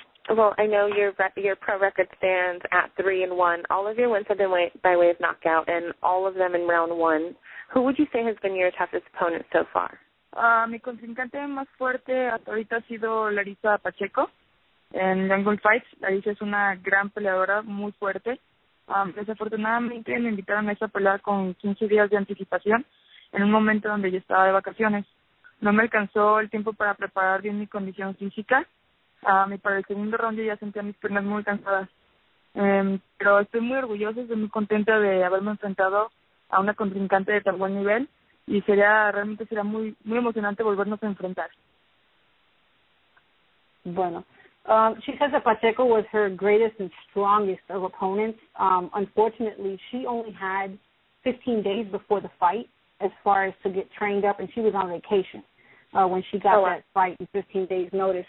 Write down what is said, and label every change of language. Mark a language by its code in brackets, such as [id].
[en] Well, I know your pro record stands at 3-1. All of your wins have been by way of knockout, and all of them in round one. Who would you say has been your toughest opponent so far? [es] Mi contrincante más fuerte hasta ahorita ha sido Larissa Pacheco en Jungle Fights. Larissa es una gran peleadora, muy fuerte. Desafortunadamente me invitaron a esa pelea con 15 días de anticipación en un momento donde yo estaba de vacaciones. No me alcanzó el tiempo para preparar bien mi condición física. Y para el segundo round yo ya sentía mis piernas muy cansadas. Pero estoy muy orgullosa, estoy muy contenta de haberme enfrentado a una contrincante de tan buen nivel y sería muy, muy emocionante volvernos a enfrentar. Bueno. [en] She says that Pacheco was her greatest and strongest of opponents. Unfortunately, she only had 15 days before the fight as far as to get trained up, and she was on vacation when she got that fight in 15 days notice.